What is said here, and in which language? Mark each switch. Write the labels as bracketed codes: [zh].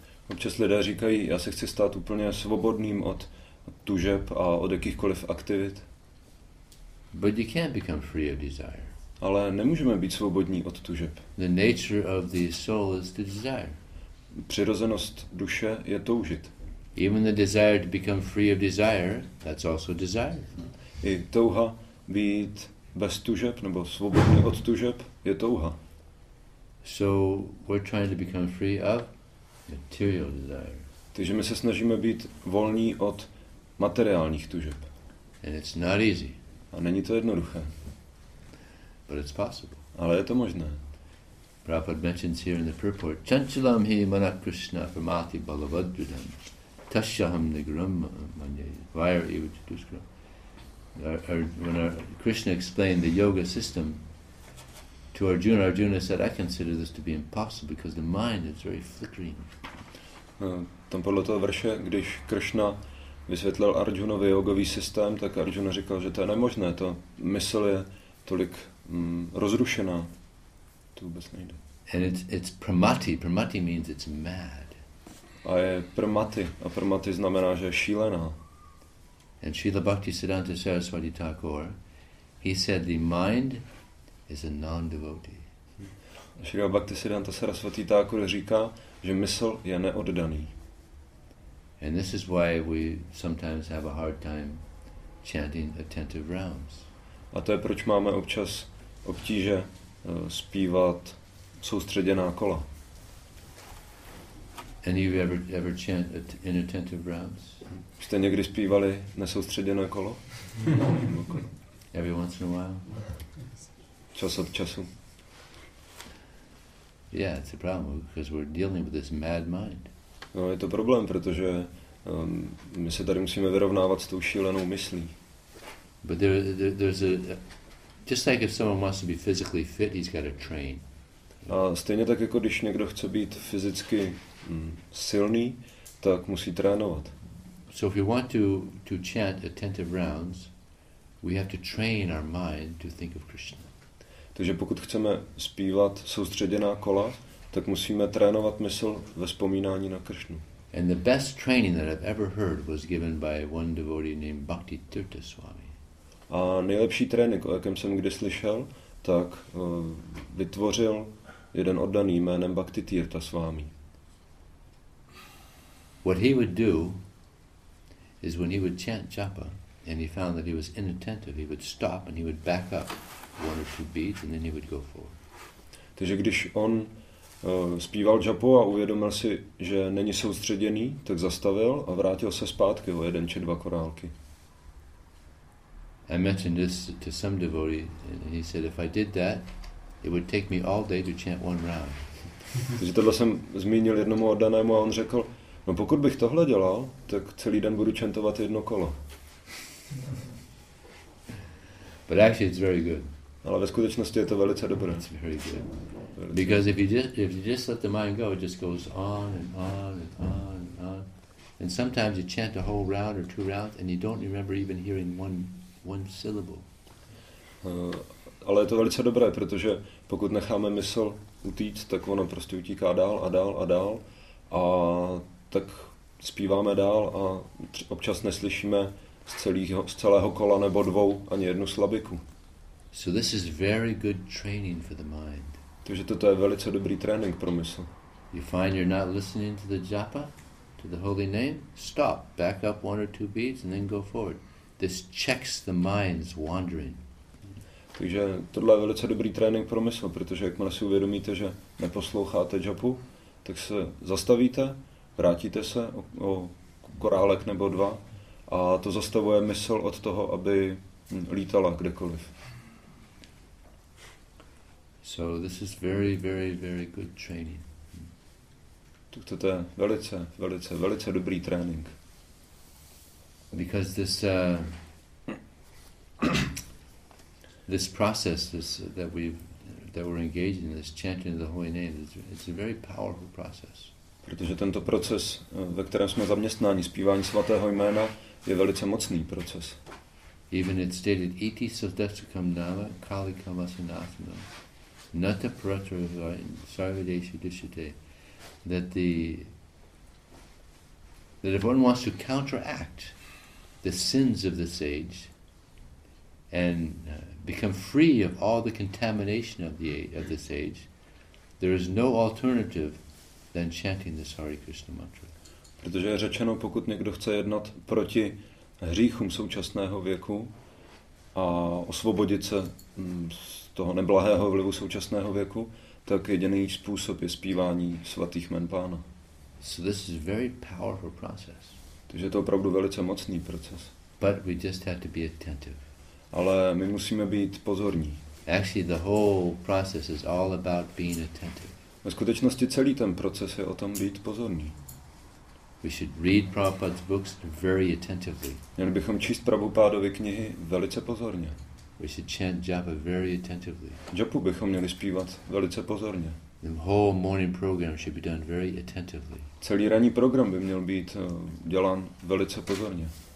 [cs] Občas lidé říkají, já se chci stát úplně svobodným od tužeb a od jakýchkoliv aktivit. [en] But you can't become free of desire. [cs] Ale nemůžeme být svobodní od tužeb. [en] The nature of the soul is the desire. [cs] Přirozenost duše je toužit. [en] Even the desire to become free of desire, that's also desire. [cs] I touha být bez tužeb nebo svobodný od tužeb je touha. [en] So we're trying to become free of material desire. [cs] Takže my se snažíme být volní od materiálních tužeb. [en] And it's not easy. [cs] A není to jednoduché. [en] But it's possible. [cs] Ale je to možné. [en] Prabhupada mentions here in the purport, [sa] Chanchalam hi mana krishna pramati balavadrudam tashyaham nigram manyayi vair eva chutuskram. [en] When Krishna explained the yoga system to Arjuna, Arjuna said, I consider this to be impossible because the mind is very flickering. [cs] Tam podle toho verše, když Krishna vysvětlil Arjunovi jogový systém, tak Arjuna říkal, že to je nemožné, to mysl je tolik rozrušená. To vůbec nejde. [en] And it's pramati. Pramati means it's mad. [cs] A je pramati. A pramati znamená, že je šílená. [en] And Srila Bhakti Siddhanta Saraswati Thakur, he said the mind is a non-devotee. [cs] Srila Bhakti Siddhanta Saraswati Thakur říká, že mysl je neoddaný. [en] And this is why we sometimes have a hard time chanting attentive rounds. [cs] A to je, proč máme občas obtíže zpívat soustředěná kola. [en] Any of you ever chant inattentive rounds? [cs] Jste někdy zpívali nesoustředěné kolo? [en] Every once in a while. [cs] Čas od času. [en] Yeah, it's a problem because we're dealing with this mad mind. [cs] No, je to problém, protože my se tady musíme vyrovnávat s tou šílenou myslí. [en] But there's a just like if someone wants to be physically fit, he's got to train. [cs] A stejně tak jako když někdo chce být fyzicky silný, tak musí trénovat. [en] So if you want to chant attentive rounds, we have to train our mind to think of Krishna. [cs] Takže pokud chceme zpívat soustředěná kola, tak musíme trénovat mysl ve vzpomínání na Krishnu. [en] And the best training that I've ever heard was given by one devotee named Bhakti Tirtha Swami. [cs] A nejlepší trénink, o jakém jsem kdy slyšel, tak vytvořil jeden oddaný jménem Bhakti Tirtha Swami. [en] What he would do is when he would chant japa and he found that he was inattentive, he would stop and he would back up one or two beats and then he would go forward. [cs] Takže když on zpíval japu a uvědomil si, že není soustředěný, tak zastavil a vrátil se zpátky o jeden či dva korálky. [en] I mentioned this to some devotee and he said, if I did that, It would take me all day to chant one round. [cs] Takže tohle jsem zmínil jednomu oddanému a on řekl, no pokud bych tohle dělal, tak celý den budu čentovat jedno kolo. [en] But actually it's very good. [cs] Ale ve skutečnosti je to velice dobré. [en] It's very good. Because if you just let the mind go, it just goes on and on and on and on. And sometimes you chant a whole round or two rounds and you don't remember even hearing one syllable. [cs] Ale je to velice dobré, protože pokud necháme mysl utíct, tak ono prostě utíká dál a dál a dál. A tak zpíváme dál a občas neslyšíme z celého kola nebo dvou ani jednu slabiku. [en] So this is very good training for the mind. [cs] Takže toto je velice dobrý trénink pro mysl. [en] You find you're not listening to the japa, to the holy name, stop, back up one or two beats and then go forward. This checks the mind's wandering. [cs] Takže tohle je velice dobrý trénink pro mysl, protože jakmile si uvědomíte, že neposloucháte japu, tak se zastavíte, vrátíte se o korálek nebo dva a to zastavuje mysl od toho, aby lítala kdekoliv. [en] So this is very, very, very good training. [cs] To je velice, velice, velice dobrý trénink. [en] Because this this process that we're engaged in, this chanting of the holy name, it's a very powerful process. [cs] Protože tento proces, ve kterém jsme zaměstnáni, zpívání svatého jména, je velice mocný proces. [en] Even it's stated, [sa] iti sotasukam nama kali kamasanasana nata paratrava sarvadesu dushite, [en] that if one wants to counteract the sins of this age and become free of all the contamination of this age, there is no alternative than chanting this Hare Krishna mantra. [cs] Protože je řečeno, pokud někdo chce jednat proti hříchům současného věku a osvobodit se z toho neblahého vlivu současného věku, tak jediný způsob je zpívání svatých jmen Pána. [en] So this is very powerful process. [cs] Takže je to opravdu velice mocný proces. [en] But we just have to be attentive. [cs] Ale my musíme být pozorní. [en] Actually, the whole process is all about being attentive. [cs] Ve skutečnosti celý ten proces je o tom být pozorní. [en] We should read Prabhupada's books very attentively. [cs] Měli bychom číst Prabhupádovy knihy velice pozorně. [en] We should chant japa very attentively. [cs] Japu bychom měli zpívat velice pozorně. [en] The whole morning program should be done very attentively. [cs] Celý ranní program by měl být dělán velice pozorně.